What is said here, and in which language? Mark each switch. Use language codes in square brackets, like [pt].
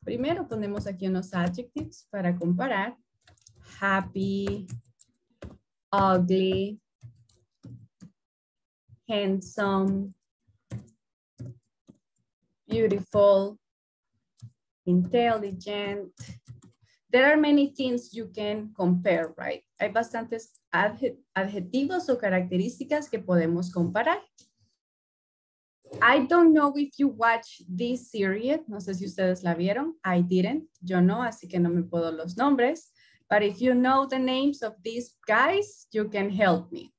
[es] Primero ponemos aquí unos adjectives para comparar. Happy, ugly, handsome, beautiful, intelligent. [en] There are many things you can compare, right? [es] Hay bastantes adjetivos o características que podemos comparar. [en] I don't know if you watch this series. [es] No sé si ustedes la vieron. [en] I didn't. [es] Yo no, así que no me puedo los nombres. [en] But if you know the names of these guys, you can help me.